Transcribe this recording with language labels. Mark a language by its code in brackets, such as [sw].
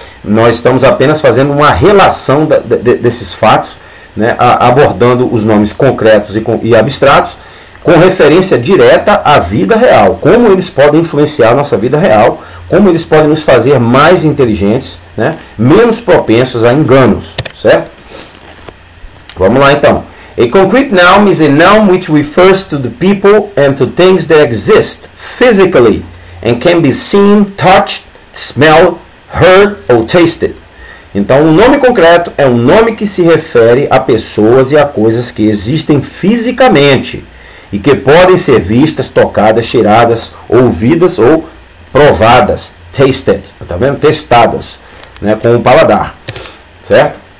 [pt] Nós estamos apenas fazendo uma relação desses fatos, né, abordando os nomes concretos e abstratos com referência direta à vida real. Como eles podem influenciar a nossa vida real, como eles podem nos fazer mais inteligentes, né, menos propensos a enganos, certo? Vamos lá então. [en] A concrete noun is a noun which refers to the people and to things that exist physically and can be seen, touched, smelled, heard or tasted. [pt] Então, um nome concreto é um nome que se refere a pessoas e a coisas que existem fisicamente e que podem ser vistas, tocadas, cheiradas, ouvidas ou provadas, tasted, tá vendo? Testadas, né, com o paladar, certo?